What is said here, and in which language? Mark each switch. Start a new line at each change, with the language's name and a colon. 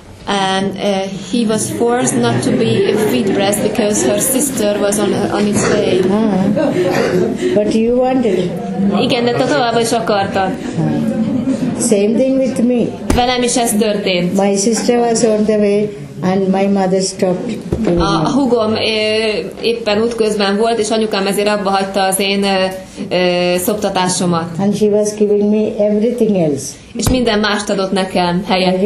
English: And he was forced not to be a feed breast because her sister was on its way. But you wanted.
Hungarian: Igen, de te továbbra is akartad.
English: Same thing with me.
Hungarian: Velem is ez történt.
English: My sister was on the way and my mother stopped.
Hungarian: A húgom éppen útközben volt, és anyukám ezért abba hagyta az én szoptatásomat.
English: And she was giving me everything else.
Hungarian: És minden mást adott nekem helyette.